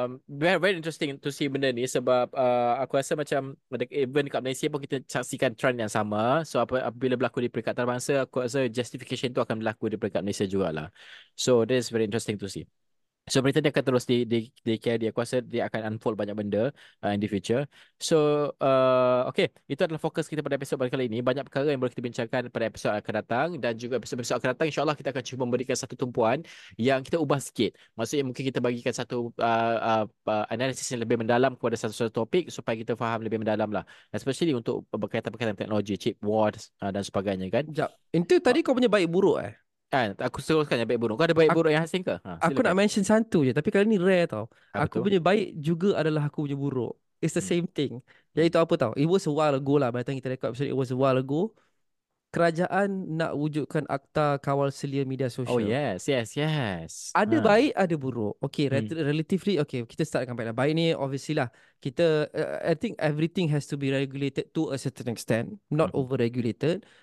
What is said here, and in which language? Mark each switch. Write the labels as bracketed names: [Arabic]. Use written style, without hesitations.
[English] Very, very interesting to see [Malay] benda ni. Sebab aku rasa macam even kat Malaysia pun kita saksikan trend yang sama. So apabila berlaku di peringkat terbangsa, aku rasa justification tu akan berlaku di peringkat Malaysia jugalah. [English] So that is very interesting to see. [Malay] So berita ni akan terus di KID. Aku rasa dia akan unfold banyak benda [English] in the future. [Malay] So okay, itu adalah fokus kita pada episod pada kali ini. Banyak perkara yang boleh kita bincangkan pada episod akan datang. Dan juga episod-episod akan datang, InsyaAllah kita akan cuba memberikan satu tumpuan yang kita ubah sikit. Maksudnya mungkin kita bagikan satu analisis yang lebih mendalam kepada satu-satu topik, supaya kita faham lebih mendalam lah. Especially untuk berkaitan-berkaitan teknologi, chip wars dan sebagainya kan. Sekejap, itu tadi kau punya baik buruk eh? Kan, aku teruskan yang baik buruk. Kau ada baik buruk yang asing ke? Aku nak mention satu je, tapi kali ni rare tau. Aku punya baik juga adalah aku punya buruk. [English] It's the same thing. [Malay] Iaitu apa tau, [English] it was a while ago lah, by the time [Malay] kita record episode, [English] it was a while ago. [Malay] Kerajaan nak wujudkan Akta Kawal Selia Media Sosial. [English] Oh yes, yes, yes. [Malay] Ada baik, ada buruk. Okay, relatively, okay, kita start dengan baik lah. Baik ni [English] obviously lah, kita, I think everything has to be regulated to a certain extent, not over-regulated.